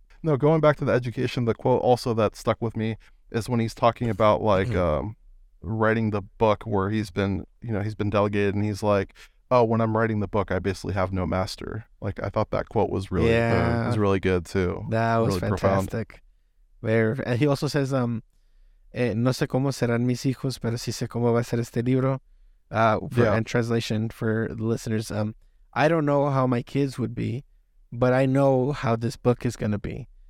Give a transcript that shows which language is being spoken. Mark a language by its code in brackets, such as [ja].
[en] No, going back to the education, the quote also that stuck with me is when he's talking about like, writing the book where he's been, you know, he's been delegated and he's like, oh, when I'm writing the book, I basically have no master. Like, I thought that quote was really, was really good too. That was really fantastic. And he also says, [es] no sé cómo serán mis hijos, pero sí sé cómo va a ser este libro. [en] And translation for the listeners, I don't know how my kids would be, but I know how this book is going to be.